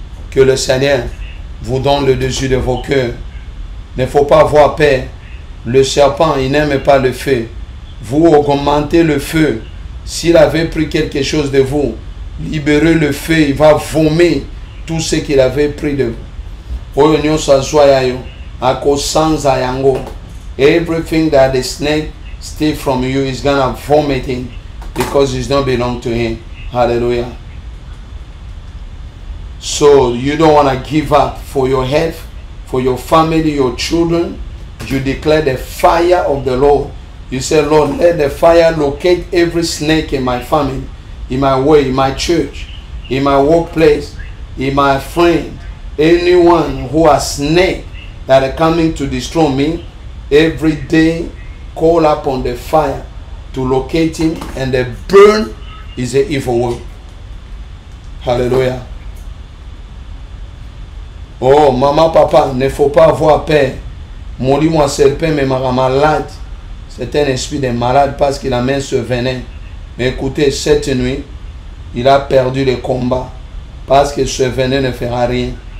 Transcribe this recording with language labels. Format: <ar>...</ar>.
<fr>Que le Seigneur vous donne le dessus de vos cœurs. Ne faut pas avoir peur. Le serpent, il n'aime pas le feu. Vous augmentez le feu. S'il avait pris quelque chose de vous, libérez le feu, il va vomir tout ce qu'il avait pris de vous.</fr> <ln>Oyonyo sazoyayo, akosanza yango.</ln> <en>Everything that the snake steal from you is gonna vomit him because it don't belong to him. Hallelujah. So you don't wanna give up for your health, for your family, your children. You declare the fire of the Lord. You say, Lord, let the fire locate every snake in my family, in my way, in my church, in my workplace, in my friend, anyone who has snake that are coming to destroy me. Every day, call upon the fire to locate him, and the burn is the evil one. Hallelujah.</en> <fr>Oh, mama, papa, ne faut pas avoir peur. Mon lit, moi, c'est le pain, mais ma malade. C'est un esprit de malade parce qu'il amène ce venin. Mais écoutez, cette nuit, il a perdu le combat parce que ce venin ne fera rien.</fr>